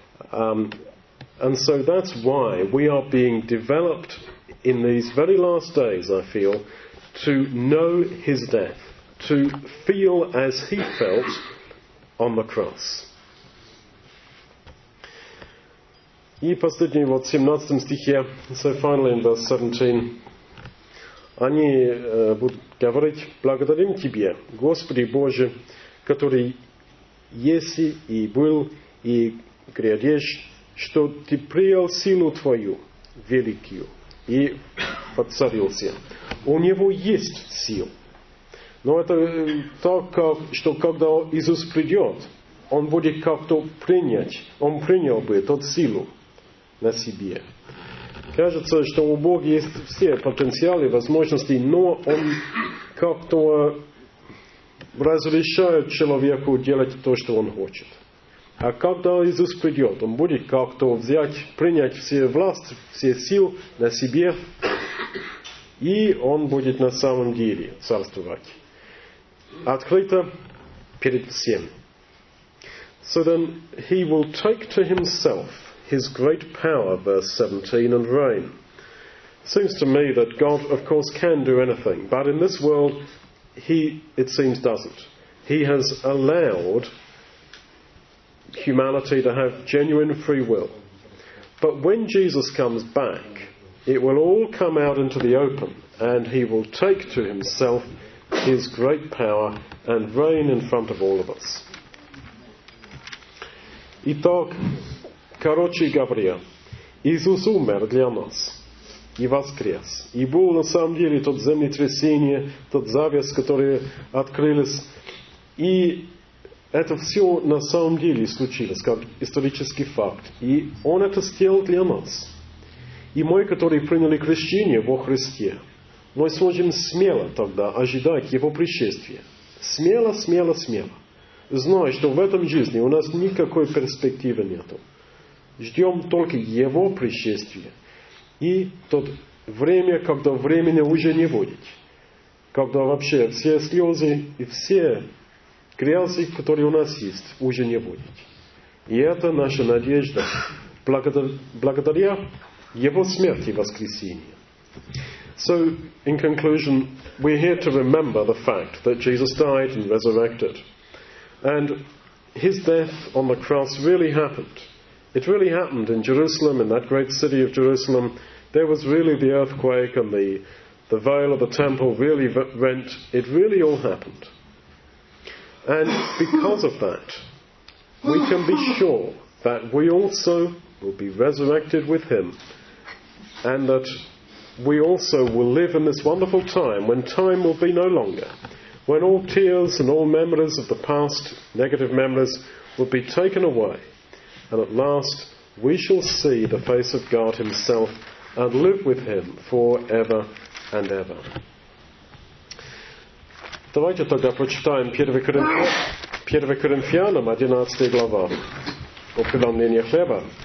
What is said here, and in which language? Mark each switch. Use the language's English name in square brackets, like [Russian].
[English] And so that's why we are being developed in these very last days, I feel, to know his death, to feel as he felt on the cross. [Russian] И последний, вот в 17 стихе, [English] so finally in verse 17, [Russian] они будут говорить, благодарим Тебе, Господи Боже, который еси и был и грядешь, что ты приял силу твою великую и подцарился. У него есть сил. Но это так, как, что когда Иисус придет, он будет как-то принять, он принял бы эту силу на себе. Кажется, что у Бога есть все потенциалы, возможности, но он как-то разрешает человеку делать то, что он хочет. А когда Иисус придет, он будет как-то взять, принять все власть, все силы на себе, и он будет на самом деле царствовать. Открыто перед всем. [English] So then he will take to himself his great power, verse 17, and reign. Seems to me that God, of course, can do anything, but in this world, he, it seems, doesn't. He has allowed humanity to have genuine free will. But when Jesus comes back, it will all come out into the open, and he will take to himself his great power and reign in front of all of us. [Russian] Итак, короче говоря, Иисус умер для нас и воскрес. И был на самом деле тот землетрясение, тот завес, который открылись, и это все на самом деле случилось, как исторический факт. И Он это сделал для нас. И мы, которые приняли крещение во Христе, мы сможем смело тогда ожидать Его пришествия. Смело, смело, смело. Зная, что в этом жизни у нас никакой перспективы нету. Ждем только Его пришествия. И тот время, когда времени уже не будет. Когда вообще все слезы и все грязи, которые у нас есть, уже не будет. И это наша надежда, благодаря Его смерти и воскресению. [English] So, in conclusion, we're here to remember the fact that Jesus died and resurrected. And His death on the cross really happened. It really happened in Jerusalem, in that great city of Jerusalem. There was really the earthquake and the veil of the temple really rent. It really all happened. And because of that, we can be sure that we also will be resurrected with him, and that we also will live in this wonderful time when time will be no longer, when all tears and all memories of the past, negative memories, will be taken away, and at last we shall see the face of God himself and live with him for ever and ever. [Russian] Давайте тогда прочитаем 1 Коринфянам 11 глава о преломлении хлеба.